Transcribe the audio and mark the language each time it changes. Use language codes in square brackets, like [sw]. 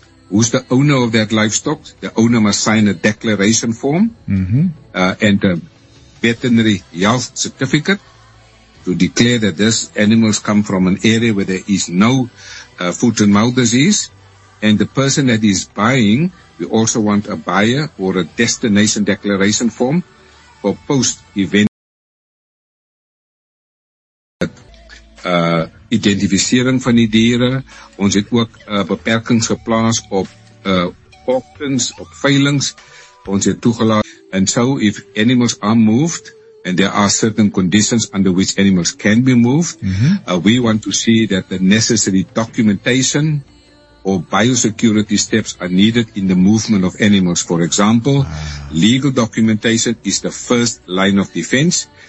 [en] Who's the owner of that livestock? The owner must sign a declaration form and a veterinary health certificate to declare that this animals come from an area where there is no foot and mouth disease. And the person that is buying, we also want a buyer or a destination declaration form for post-event identifisering van die diere. [af] Ons het ook beperkings geplaas op auctions, op veilings. Ons het toegelaat. [en] And so if animals are moved and there are certain conditions under which animals can be moved, we want to see that the necessary documentation or biosecurity steps are needed in the movement of animals. For example, legal documentation is the first line of defense.